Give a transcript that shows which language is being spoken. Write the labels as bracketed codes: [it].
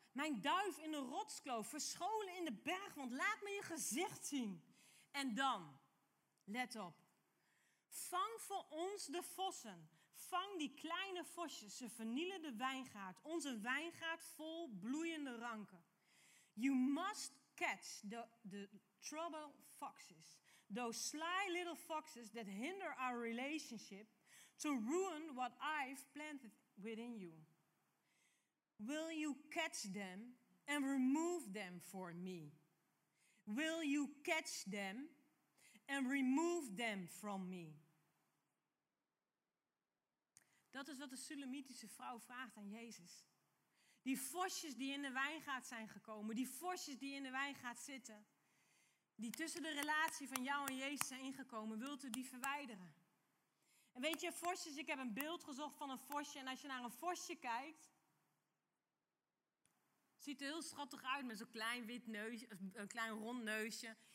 [nl] Mijn duif in de rotskloof, verscholen in de berg, want laat me je gezicht zien. En dan, let op. Vang voor ons de vossen. Vang die kleine vosjes. Ze vernielen de wijngaard. Onze wijngaard vol bloeiende ranken. [en] You must catch the trouble foxes. Those sly little foxes that hinder our relationship to ruin what I've planted within you. Will you catch them and remove them for me? Will you catch them and remove them from me? [nl] Dat is wat de Sulamitische vrouw vraagt aan Jezus. Die vosjes die in de wijngaard zijn gekomen, die vosjes die in de wijngaard zitten, die tussen de relatie van jou en Jezus zijn ingekomen, wilt u die verwijderen? En weet je, vosjes, ik heb een beeld gezocht van een vosje en als je naar een vosje kijkt, ziet er heel schattig uit met zo'n klein wit neusje, een klein rond neusje.